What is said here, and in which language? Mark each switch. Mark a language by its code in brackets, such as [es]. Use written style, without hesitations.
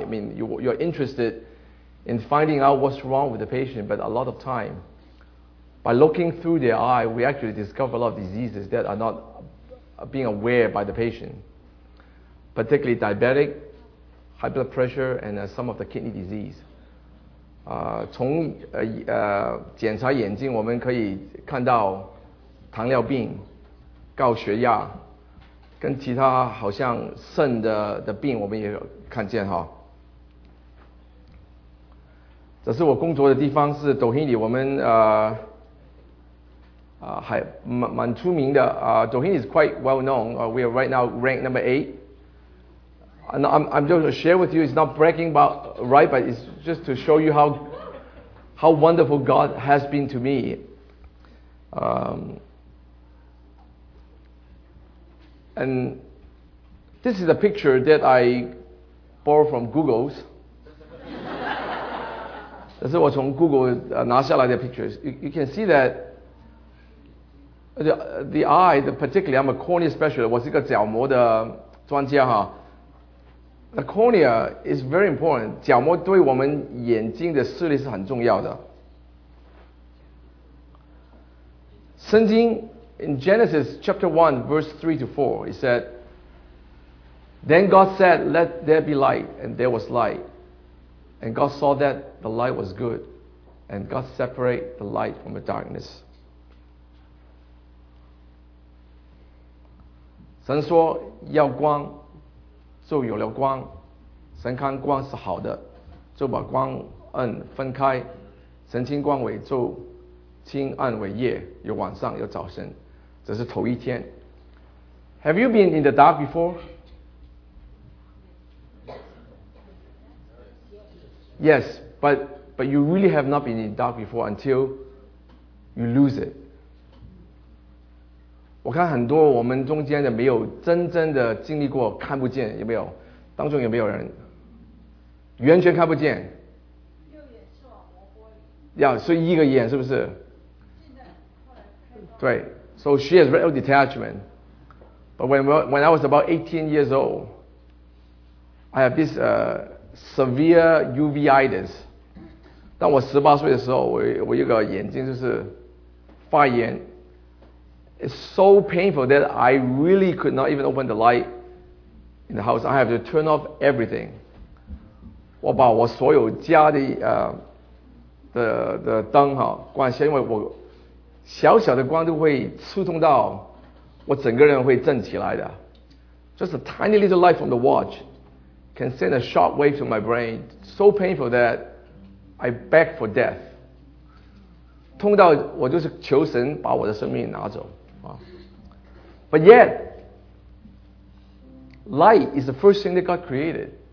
[en] I mean, you're interested in finding out what's wrong with the patient, but a lot of time, by looking through the eye, we actually discover a lot of diseases that are not being aware by the patient, particularly diabetic, high blood pressure, and some of the kidney disease. [zh] 从检查眼睛，我们可以看到糖尿病、高血压，跟其他好像肾的病，我们也看见哈。这是我工作的地方，是多亨利，我们还蛮出名的啊。 [en] 多亨利 is quite well known. We are right now ranked number 8. And I'm just share with you. It's not bragging about right, but it's just to show you how wonderful God has been to me. And this is a picture that I borrowed from Google's. [zh] 这是我从 Google 拿下来的 [en] pictures. You can see that the eye, particularly, I'm a cornea specialist. [zh] 我是一个角膜的专家哈。 [en] The cornea is very important. [zh] 角膜对我们眼睛的视力是很重要的。 [en] 圣经 in Genesis chapter 1, verse 3 to 4, it said, Then God said, Let there be light, and there was light. And God saw that the light was good. And God separated the light from the darkness. [zh] 神说要光，就有了光。神看光是好的，就把光暗分开。神称光为昼，称暗为夜，有晚上，有早晨。这是头一天。 [en] Have you been in the dark before? Yes, but you really have not been in the dark before until you lose it. [zh] 我看很多我们中间的没有真正的经历过看不见，有没有？当中有没有人完全看不见？右眼视网膜剥离。Yeah, 所以一个眼是不是？现在后来对 [en] ，so she has retinal detachment. But when I was about 18 years old, I have this severe uveitis. [zh] 当我十八岁的时候，我有个眼睛就是发炎。 [en] It's so painful that I really could not even open the light in the house. I have to turn off everything. [zh] 我把我所有家的的灯哈关下，因为我小小的光都会刺痛到我整个人会震起来的。 [en] Just a tiny little light from the watch. Can send a shock wave to my brain, so painful that I beg for death. [zh] 痛到我就是求神把我的生命拿走。 [en] But yet, light is the first thing that God created.